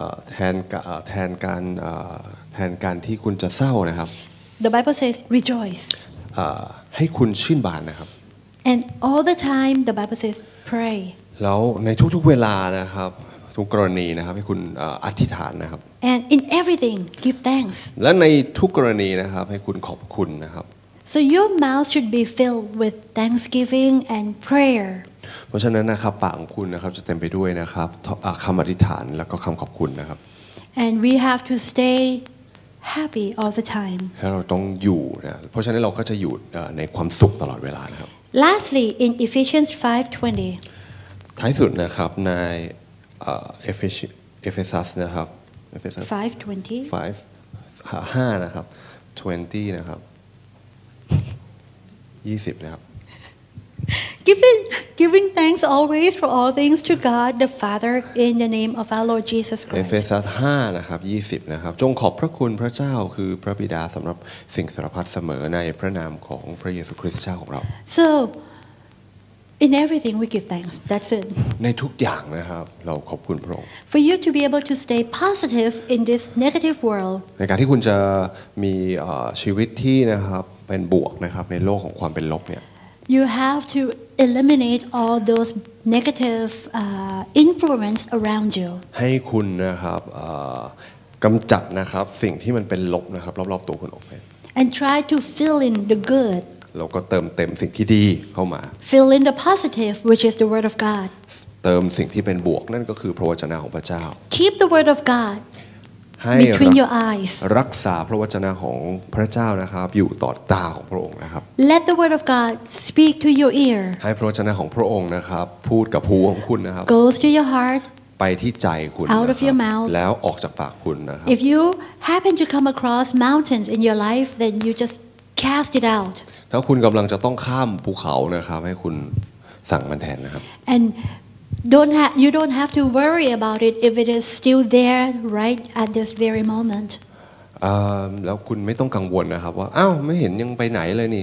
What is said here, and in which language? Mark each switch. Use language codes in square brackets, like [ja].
[th] แทนการที่คุณจะเศร้านะครับ [en] The Bible says rejoice. [th] ให้คุณชื่นบานนะครับ [en] And all the time the Bible says pray. [th] แล้วในทุกๆเวลานะครับทุกกรณีนะครับให้คุณอธิษฐานนะครับ [en] And in everything give thanks. [th] และในทุกกรณีนะครับให้คุณขอบคุณนะครับ [en] So your mouth should be filled with thanksgiving and prayer. [th] เพราะฉะนั้นนะครับปากของคุณนะครับจะเต็มไปด้วยนะครับคำอธิษฐานแล้วก็คำขอบคุณนะครับ [en] And we have to stayHappy all the time. [th] เราต้องอยู่นะเพราะฉะนั้นเราก็จะอยู่ในความสุขตลอดเวลานะครับ [en] Lastly, in Ephesians 5:20. [th] ท้ายสุดนะครับในเอเฟซัสนะครับ [en] 5:20. [th] 5นะครับ20นะครับ20นะครับ [en] Giving thanks always for all things to God the Father in the name of our Lord Jesus Christ. [th] เอเฟซัส5นะครับ20นะครับจงขอบพระคุณพระเจ้าคือพระบิดาสำหรับสิ่งสารพัดเสมอในพระนามของพระเยซูคริสต์เจ้าของเรา [en] So in everything we give thanks. That's it. [th] ในทุกอย่างนะครับเราขอบคุณพระองค์ [en] For you to be able to stay positive in this negative world. [th] ในการที่คุณจะมีชีวิตที่นะครับเป็นบวกนะครับในโลกของความเป็นลบเนี่ย [en] You have to eliminate all those negative influence around you. [th] ให้คุณนะครับกำจัดนะครับสิ่งที่มันเป็นลบนะครับรอบๆตัวคุณออกไป [en] And try to fill in the good. [th] แล้วก็เติมเต็มสิ่งที่ดีเข้ามา [en] Fill in the positive, which is the word of God. [th] เติมสิ่งที่เป็นบวกนั่นก็คือพระวจนะของพระเจ้า [en] Keep the word of God. Between your eyes. [th] รักษาพระวจนะของพระเจ้านะครับอยู่ต่อตาของพระองค์นะครับ [en] Let the word of God speak to your ear. [th] ให้พระวจนะของพระองค์นะครับพูดกับหูของคุณนะครับ [en] Goes to your heart. [th] ไปที่ใจคุณ [en] Out of your mouth. [th] แล้วออกจากปากคุณนะครับ [en] If you happen to come across mountains in your life, then you just cast it out. [th] ถ้าคุณกำลังจะต้องข้ามภูเขานะครับให้คุณ สั่งมันแทนนะครับ [en] and you don't have to worry about it if it is still there right at this very moment [th] แล้วคุณไม่ต้องกังวลนะครับว่าอ้าวไม่เห็นยังไปไหนเลยนี